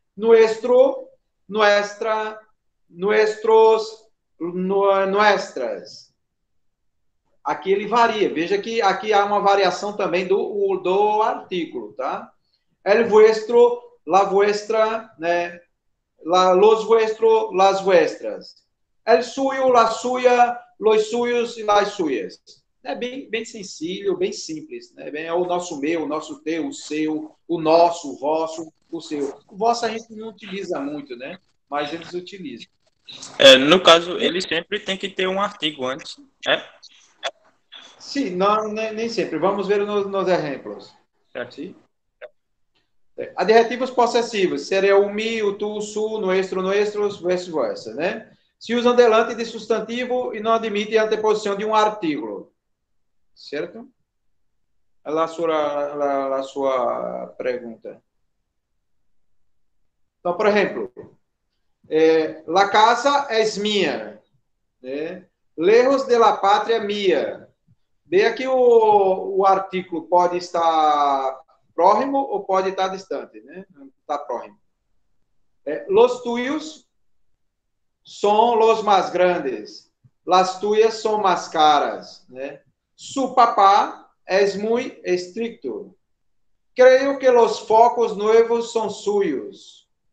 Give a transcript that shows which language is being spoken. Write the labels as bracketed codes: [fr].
[es] Nuestro, nuestra, nuestros, nuestras. [pt] Aqui ele varia. Veja que aqui há uma variação também do artigo, tá? [es] El vuestro, la vuestra, né? Los vuestros, las vuestras. El suyo, la suya, los suyos y las suyas. [pt] É bem, bem sencillo, bem simples, né? É o nosso meu, o nosso teu, o seu, o nosso, o vosso, o seu. O vosso a gente não utiliza muito, né? Mas eles utilizam. É, no caso, ele sempre tem que ter um artigo antes, né? Sim, não, nem sempre. Vamos ver nos exemplos. Sim? Adjetivos possessivos. Seria o mi, o tu, o su, nuestro, nuestros, vice versa, né? Se usam delante de substantivo e não admitem a anteposição de um artigo. Certo? A sua pergunta. Então, por exemplo, [es] la casa es mía, né? Lejos de la patria mía. [pt] Bem, aqui o artigo pode estar próximo ou pode estar distante, né? Está próximo. [es] Los tuyos son los más grandes. Las tuyas son más caras, né? Su papá es muy estricto. Creo que los focos nuevos son suyos.